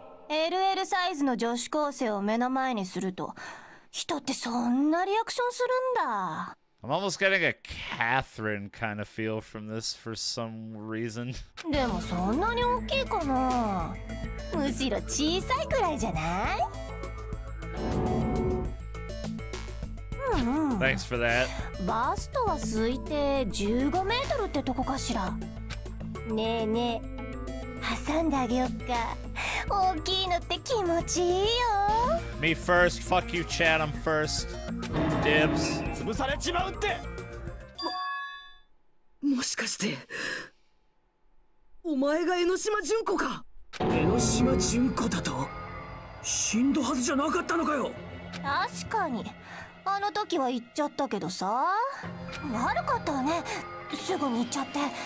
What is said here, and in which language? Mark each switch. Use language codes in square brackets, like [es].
[ja] LL size の 女子高生を目の前にすると、人ってそんなリアクションするんだ。 [en] I'm almost getting a Catherine kind of feel from this for some reason. Thanks for that. [ja] バストは推定15メートルってとこかしら。ねえねえ、挟んであげよっか。大きいのって気持ちいいよ。 [en] Me first, fuck you, Chad, I'm first. Dibs. [ja] 潰されちまうって! もしかしてお前が江ノ島純子か。江ノ島純子だと。死んだはずじゃなかったのかよ。確かにあの時は言っちゃったけどさ、悪かったわね、すぐに言っちゃって。